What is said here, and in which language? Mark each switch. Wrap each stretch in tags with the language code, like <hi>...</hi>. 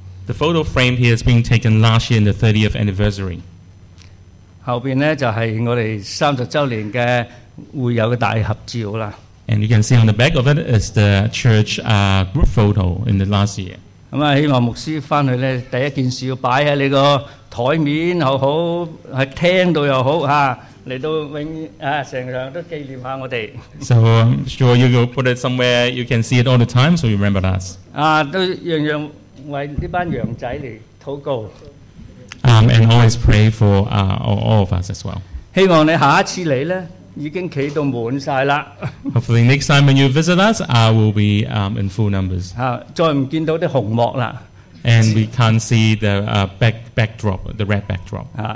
<en>The photo frame here is being taken last year in the 30th anniversary。</en> <yue>後邊咧就係我哋30周年嘅會友嘅大合照啦。</yue> <en>And you can see on the back of it is the church group photo in the last year。</en> <yue>咁啊，希望牧師翻去咧，第一件事要擺喺你個台面又好，喺廳度又好嚇，嚟到永成日都紀念下我哋。</yue> <en>So I'm sure you will put it somewhere you can see it all the time, so you remember us.</en> <yue>都樣樣為呢班羊仔嚟禱告。</yue> <en>And always pray for all of us as well.</en> <yue>希望你下一次嚟咧，已經企到滿曬啦。</yue> <en>Hopefully next time when you visit us, I will be in full numbers.</en> <yue>再唔見到啲紅幕啦。</yue> <en>And we can't see the backdrop, the red backdrop.</en>